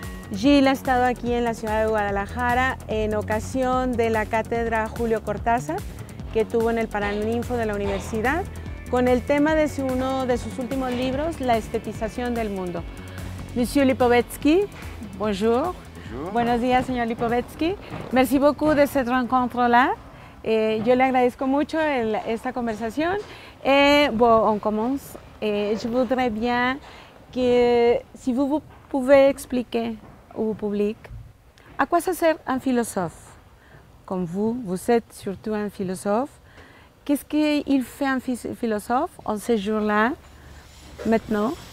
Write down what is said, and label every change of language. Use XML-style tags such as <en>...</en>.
<es>Gilles ha estado aquí en la ciudad de Guadalajara en ocasión de la cátedra Julio Cortázar que tuvo en el Paraninfo de la universidad con el tema de uno de sus últimos libros, La estetización del mundo.</es> <fr>Monsieur Lipovetsky, bonjour.</fr> <es>Buenos días, señor Lipovetsky.</es> <fr>Merci beaucoup de cette rencontre-là.</fr> <es>Yo le agradezco mucho esta conversación.</es> <fr>On commence. Je voudrais bien que, si vous pouvez expliquer au public, à quoi ça sert un philosophe? Comme vous êtes surtout un philosophe. Qu'est-ce qu'il fait un philosophe en ces jours-là, maintenant?</fr>